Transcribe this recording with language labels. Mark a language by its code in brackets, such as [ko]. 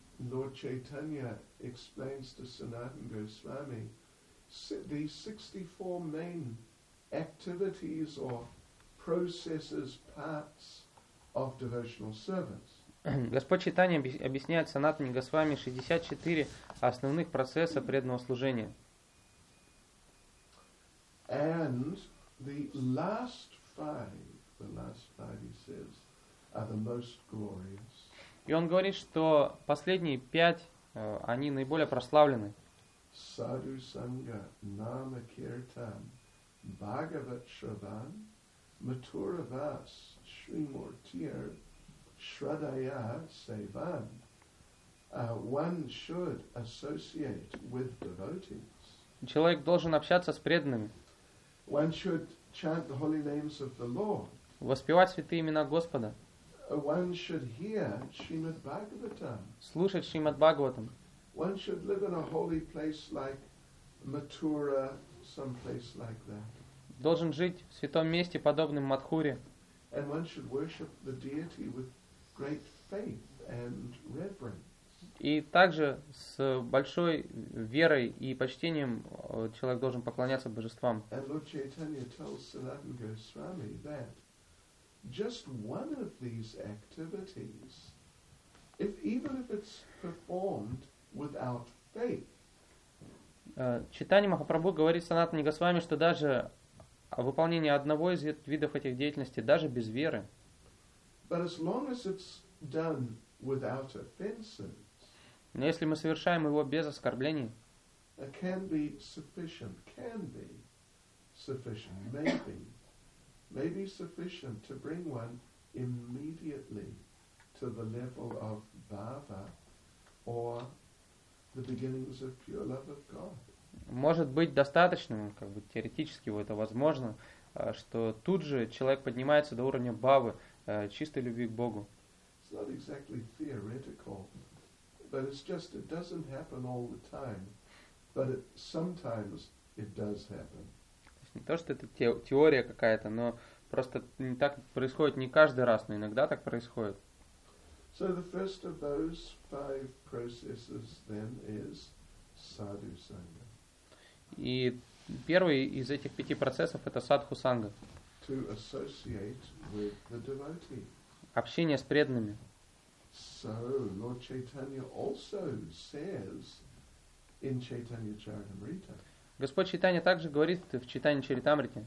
[en] Lord Chaitanya explains to Sanatana Goswami, the 64 main activities or processes, parts of devotional service. [ru] Господь Чайтанья объясняет Санатане Госвами 64 основных процесса преданного служения. [en] And the last five, he says, are the most glorious. [ru] И он говорит, что последние пять, они наиболее прославлены. [sa] Саду Санга, Нама Киртан, Бхагават Шраван, Матура Вас, Шри Муртир, Shraddhaya Sevan, [en] one should associate with devotees. [ru] Человек должен общаться с преданными. [en] One should chant the holy names of the Lord. [ru] Воспевать святые имена Господа. [en] One should hear Srimad Bhagavatam. [ru] Слушать Шримад Бхагаватам. [en] One should live in a holy place like Mathura, some place like that. [ru] Должен жить в святом месте, подобном Матхуре. [en] And one should worship the deity with great faith and reverence. [ru] И также с большой верой и почтением человек должен поклоняться божествам. [en] And Lord Chaitanya tells Sanatana Goswami that just one of these activities, if even if it's performed without faith, [ru] Чайтанья Махапрабху говорит Санатане Госвами, что даже выполнение одного из видов этих деятельностей, даже без веры, [en] but as long as it's done without offenses, [ru] но если мы совершаем его без оскорблений, [en] it can be sufficient, maybe sufficient to bring one immediately to the level of bhava or the beginnings of pure love of God. [ru] Может быть достаточным, как бы теоретически это возможно, что тут же человек поднимается до уровня бхавы, чистой любви к Богу. [en] It's not exactly theoretical, but it's just it doesn't happen all the time, but it, sometimes it does happen. [ru] Не то, что это теория какая-то, но просто не так происходит не каждый раз, но иногда так происходит. [en] So the first of those five processes then is sadhu sangha. [ru] И первый из этих пяти процессов это садху санга. [en] To associate with the devotee. [ru] Общение с преданными. [en] So Lord Chaitanya also says in Chaitanya Charitamrita. [ru] Господь Чайтанья также говорит в Чайтанья Чаритамрите.